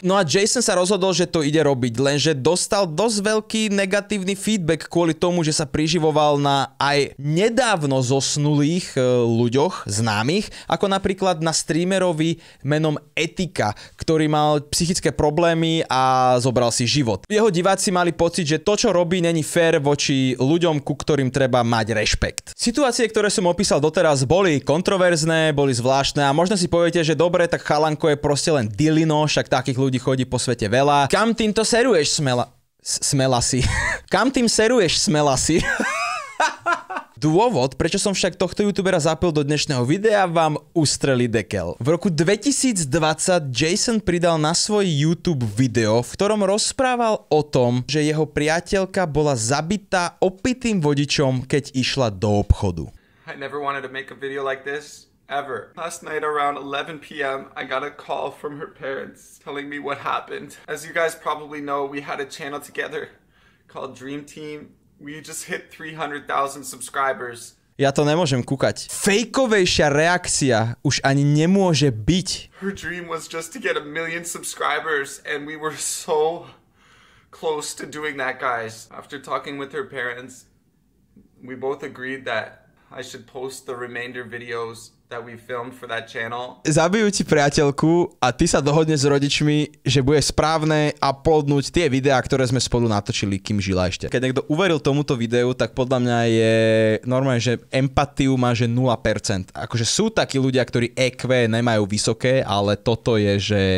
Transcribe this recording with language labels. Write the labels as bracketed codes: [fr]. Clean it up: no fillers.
[sk] No a Jason sa rozhodol, že to ide robiť, lenže dostal dosť veľký negatívny feedback kvôli tomu, že sa priživoval na aj nedávno zosnulých ľuďoch známych, ako napríklad na streamerovi menom Etika, ktorý mal psychické problémy a zobral si život. Jeho diváci mali pocit, že to, čo robí, není fair voči ľuďom, ku ktorým treba mať rešpekt. Situácie, ktoré som opísal doteraz, boli kontroverzné, boli zvláštne a možno si poviete, že dobre, tak chalanko je proste len dilino, však takých ľudí chodí po svete veľa. Kam týmto seruješ, smela si? Kam tým seruješ, smela si? Dôvod, prečo som však tohto youtubera zapil do dnešného videa, vám ustreli dekel. V roku 2020 Jason pridal na svoj YouTube video, v ktorom rozprával o tom, že jeho priateľka bola zabitá opitým vodičom, keď išla do obchodu. [en] I never wanted to make a video like this, ever. Last night around 11 PM, I got a call from her parents telling me what happened. As you guys probably know, we had a channel together called Dream Team. We just hit 300,000 subscribers. [sk] Ja to nemôžem kúkať. Fejkovejšia reakcia už ani nemôže byť. [en] Her dream was just to get 1 million subscribers and we were so close to doing that, guys. After talking with her parents, we both agreed that I should post the remainder videos that we filmed for that channel. [sk] Zabijú ti priateľku a ty sa dohodneš s rodičmi, že bude správne uploadnúť tie videá, ktoré sme spolu natočili, kým žila ešte. Keď niekto uveril tomuto videu, tak podľa mňa je normálne, že empatiu má, že 0%. Akože sú takí ľudia, ktorí EQ nemajú vysoké, ale toto je, že...